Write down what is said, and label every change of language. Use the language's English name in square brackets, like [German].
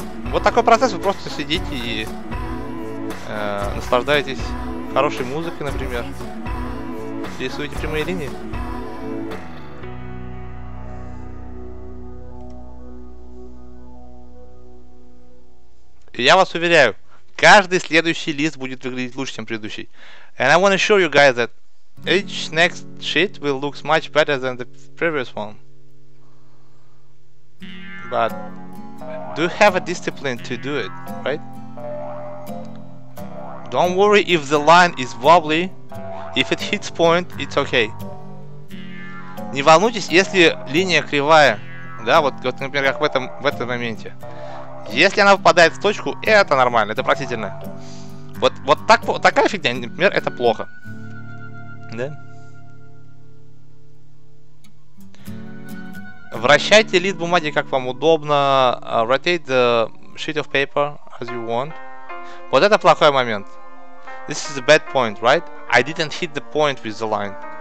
[Russian] Вот такой процесс, вы просто сидите и наслаждаетесь хорошей музыкой, например. Рисуете прямые линии. Я вас уверяю, каждый следующий лист будет выглядеть лучше, чем предыдущий. [English] And I want to show you guys that each next sheet will look much better than the previous one. But do have a discipline to do it, right? Don't worry if the line is wobbly. If it hits point, it's okay. [Russian] Не волнуйтесь, если линия кривая. Да, вот, вот например, как в этом моменте. Если она попадает в точку, это нормально, это простительно. Вот, вот так, такая фигня, например, это плохо. Да? Вращайте лист бумаги, как вам удобно. [English] Rotate the sheet of paper as you want. [Russian] Вот это плохой момент. [English] This is a bad point, right? I didn't hit the point with the line.